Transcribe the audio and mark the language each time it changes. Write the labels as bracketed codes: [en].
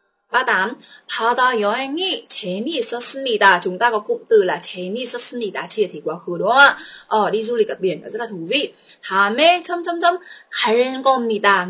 [ko] 38, 바다 여행이 재미있었습니다. [vi] Chúng ta có cụm từ là 재미있었습니다. Chia thì quá khứ đúng không ạ? Ờ, đi du lịch ở biển rất là thú vị. [ko] 다음에 점점점 갈 겁니다.